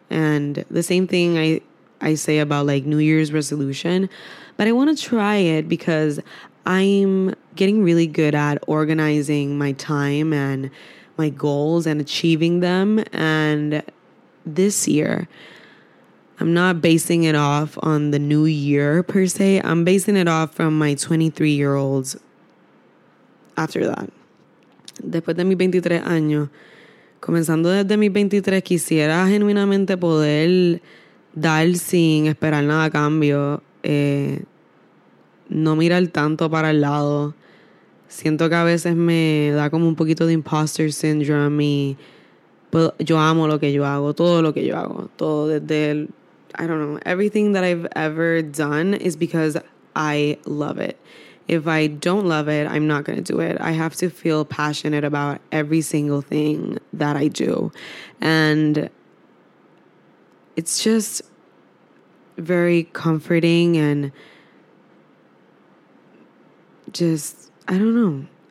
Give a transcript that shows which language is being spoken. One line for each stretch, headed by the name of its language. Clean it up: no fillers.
English: And the same thing I say about like New Year's resolution, but I want to try it because I'm getting really good at organizing my time and my goals and achieving them. And this year, I'm not basing it off on the new year per se. I'm basing it off from my 23-year-olds after that.
Spanish: Después de mis 23 años, comenzando desde mis 23, quisiera genuinamente poder dar sin esperar nada a cambio. No mirar tanto para el lado. Siento que a veces me da como un poquito de imposter syndrome y pues, yo amo lo que yo hago, todo lo que yo hago. Todo desde el,
English: I don't know, everything that I've ever done is because I love it. If I don't love it, I'm not going to do it. I have to feel passionate about every single thing that I do. And it's just very comforting and just, I don't know.